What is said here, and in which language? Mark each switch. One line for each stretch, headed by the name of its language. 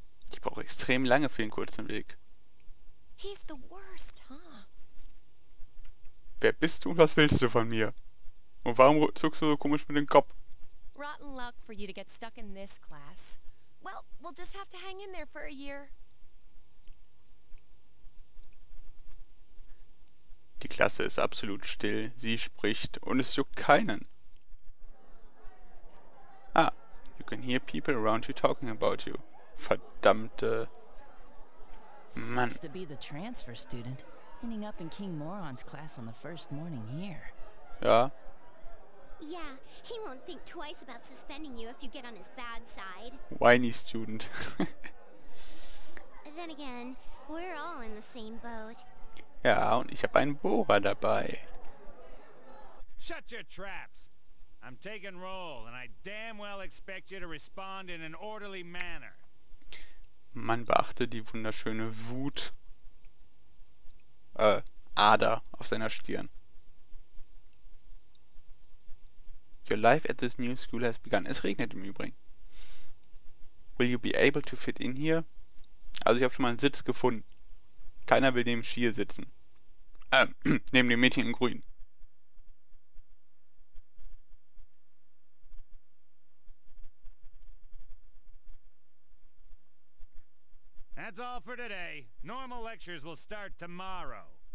German: Ich brauche extrem lange für den kurzen Weg.
English: He's the worst, huh?
German: Wer bist du und was willst du von mir? Und warum zuckst du so komisch mit dem Kopf?
English: Rotten luck for you to get stuck in this class. Well, we'll just have to hang in there for a year.
German: Die Klasse ist absolut still. Sie spricht und es juckt keinen.
English: Ah, you can hear people around you talking about you.
German: Verdammte Mann.
English: Seems to be the transfer student, ending up in King Moron's class on the first morning here.
German: Ja.
English: Yeah, he won't think twice about suspending you if you get on his bad side. Whiny student. Then again, we're all in the same boat.
German: Ja, und ich habe einen Bohrer dabei.
English: Shut your traps. I'm taking roll and I damn well expect you to respond in an orderly manner.
German: Man beachte die wunderschöne Wut Ader auf seiner Stirn.
English: Your life at this new school has begun.
German: Es regnet im Übrigen.
English: Will you be able to fit in here?
German: Also ich habe schon mal einen Sitz gefunden. Keiner will neben Schier sitzen. Neben dem Mädchen in Grün.
English: That's all for today. Normal lectures will start tomorrow.